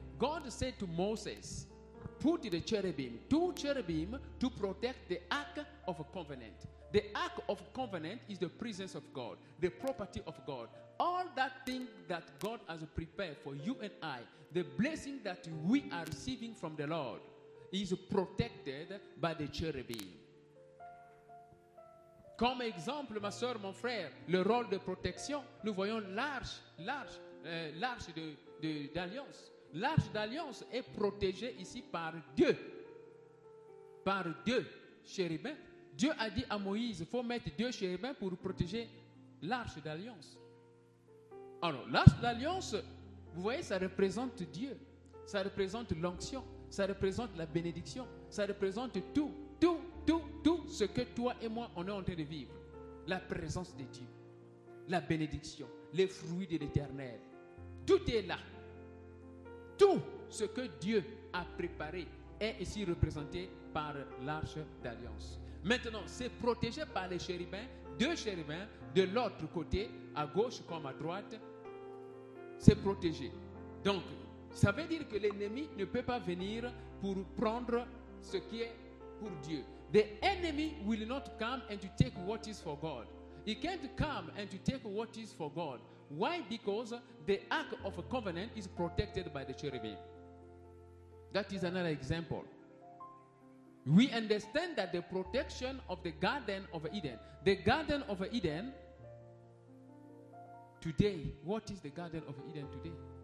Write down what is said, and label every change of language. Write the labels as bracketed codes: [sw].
[en] God said to Moses, put the cherubim, two cherubim, to protect the Ark of a Covenant. The Ark of Covenant is the presence of God, the property of God. All that thing that God has prepared for you and I, the blessing that we are receiving from the Lord, is protected by the cherubim. [fr] Comme exemple, ma soeur, mon frère, le rôle de protection, nous voyons l'arche d'alliance. L'arche d'alliance est protégée ici par Dieu. Par deux chérubins. Dieu a dit à Moïse, il faut mettre deux chérubins pour protéger l'arche d'alliance. Alors, l'arche d'alliance, vous voyez, ça représente Dieu. Ça représente l'onction. Ça représente la bénédiction. Ça représente tout ce que toi et moi, on est en train de vivre. La présence de Dieu. La bénédiction. Les fruits de l'éternel. Tout est là. Tout ce que Dieu a préparé est ici représenté par l'arche d'alliance. Maintenant, c'est protégé par les chérubins, deux chérubins, de l'autre côté, à gauche comme à droite, c'est protégé. Donc, ça veut dire que l'ennemi ne peut pas venir pour prendre ce qui est pour Dieu. [en] The enemy will not come and to take what is for God. He can't come and to take what is for God. Why? Because the Ark of a Covenant is protected by the cherubim. That is another example. We understand that the protection of the Garden of Eden, today, what is the Garden of Eden today?